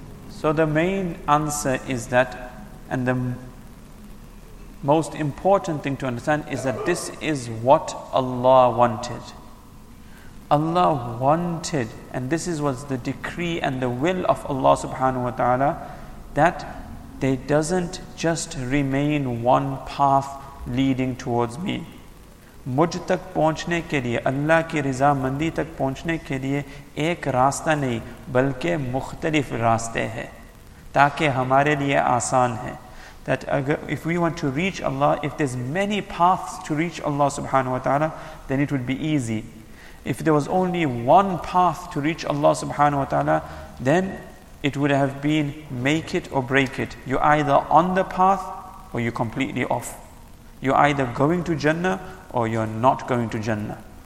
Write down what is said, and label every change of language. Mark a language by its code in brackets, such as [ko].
[en] So the main answer is that, and the most important thing to understand is that this is what Allah wanted. Allah wanted, and this was the decree and the will of Allah subhanahu wa ta'ala, that they doesn't just remain one path leading towards me. [ur] مجھ تک پہنچنے کے لیے اللہ کی رضا مندی تک پہنچنے کے لیے ایک راستہ نہیں بلکہ مختلف راستے ہیں تاکہ ہمارے لیے آسان ہے. [en] That if we want to reach Allah, if there's many paths to reach Allah subhanahu wa ta'ala, then it would be easy. If there was only one path to reach Allah subhanahu wa ta'ala, then it would have been make it or break it. You're either on the path or you're completely off. You're either going to Jannah or you're not going to Jannah.